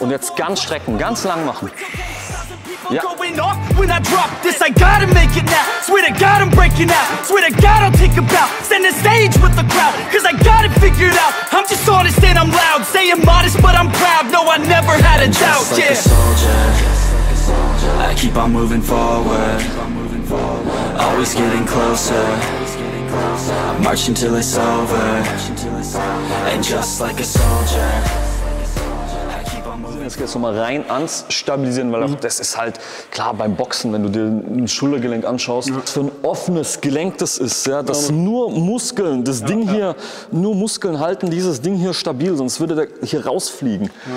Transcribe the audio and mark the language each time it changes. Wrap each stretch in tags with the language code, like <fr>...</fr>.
<de>Und jetzt ganz strecken, ganz lang machen. Ja.</de> <en>Going off when I drop this, I gotta make it now. Swear to God, I'm breaking out. Swear to God, I'll take a bow. Stand the stage with the crowd, cause I got it figured out. I'm just honest and I'm loud. Say I'm modest, but I'm proud. No, I never had a doubt. Just like a soldier, I keep on moving forward. Always getting closer. I'm marching till it's over. And just like a soldier.</en> <de>Jetzt geht es nochmal rein ans Stabilisieren, weil auch das ist halt klar beim Boxen, wenn du dir ein Schultergelenk anschaust, was für ein offenes Gelenk das ist, ja, das nur Muskeln, das Ding hier, nur Muskeln halten dieses Ding hier stabil, sonst würde der hier rausfliegen.</de>